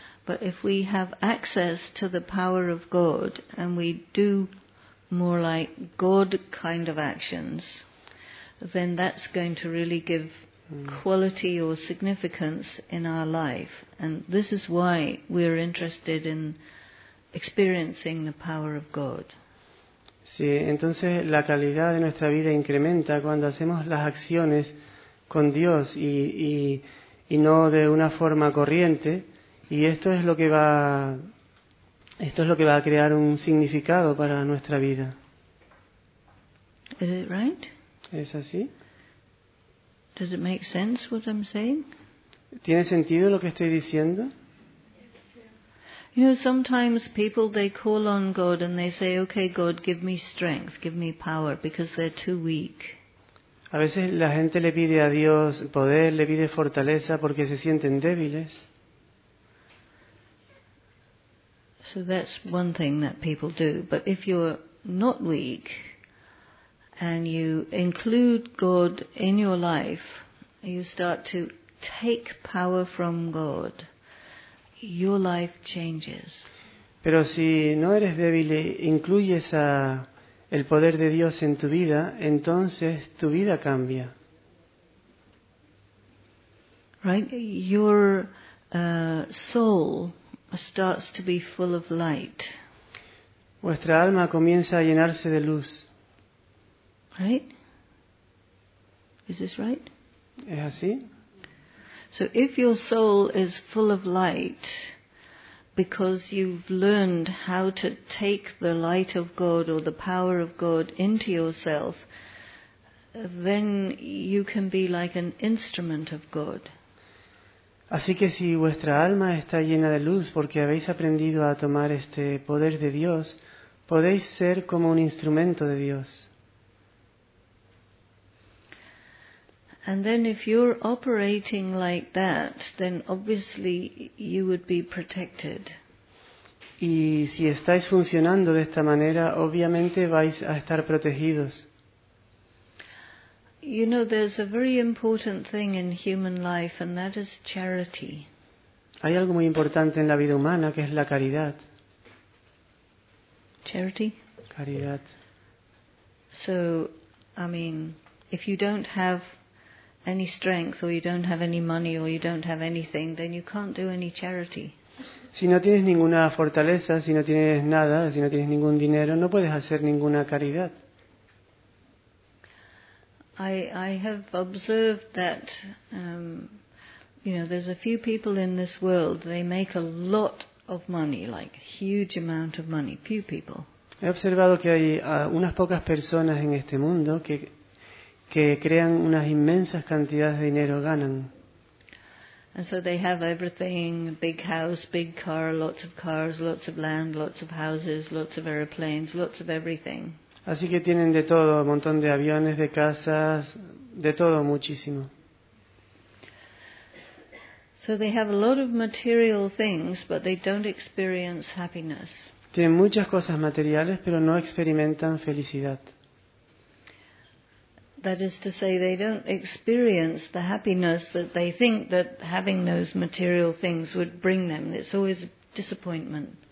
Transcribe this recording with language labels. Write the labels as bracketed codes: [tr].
[en] But if we have access to the power of God and we do more like God kind of actions, then that's going to really give quality or significance in our life, and this is why we're interested in experiencing the power of God. [es] Sí, entonces la calidad de nuestra vida incrementa cuando hacemos las acciones con Dios y no de una forma corriente, y esto es lo que va a crear un significado para nuestra vida. [en] Is it right? [es] ¿Es así? [en] Does it make sense what I'm saying? [es] ¿Tiene sentido lo que estoy diciendo? [en] You know, sometimes people, they call on God and they say, okay, God, give me strength, give me power, because they're too weak. [es] A veces la gente le pide a Dios poder, le pide fortaleza porque se sienten débiles. [en] So that's one thing that people do. But if you're not weak and you include God in your life, you start to take power from God, your life changes. [es] Pero si no eres débil e incluyes el poder de Dios en tu vida, entonces tu vida cambia. [en] Right? Your soul starts to be full of light. [es] Vuestra alma comienza a llenarse de luz. [en] Right? Is this right? [es] ¿Es así? [en] So if your soul is full of light because you've learned how to take the light of God or the power of God into yourself, then you can be like an instrument of God. [es] Así que si vuestra alma está llena de luz porque habéis aprendido a tomar este poder de Dios, podéis ser como un instrumento de Dios. [en] And then if you're operating like that, then obviously you would be protected. [es] Y si estáis funcionando de esta manera, obviamente vais a estar protegidos. [en] You know, there's a very important thing in human life, and that is charity. [es] Hay algo muy importante en la vida humana, que es la caridad. [en] Charity? [es] Caridad. [en] So, I mean, if you don't have any strength, or you don't have any money, or you don't have anything, then you can't do any charity. [es] Si no tienes ninguna fortaleza, si no tienes nada, si no tienes ningún dinero, no puedes hacer ninguna caridad. [en] I have observed that you know, there's a few people in this world, they make a lot of money, like a huge amount of money, few people. [es] He observado que hay unas pocas personas en este mundo que crean unas inmensas cantidades de dinero, ganan. [en] And so they have everything, big house, big cars, lots of land, lots of houses, lots of airplanes, lots of everything. [es] Así que tienen de todo, un montón de aviones, de casas, de todo, muchísimo. [en] So they have a lot of material things, but they don't experience happiness. [es] Tienen muchas cosas materiales, pero no experimentan felicidad. [en] That is to say, they don't experience the happiness that they think that having those material things would bring them. It's always a disappointment.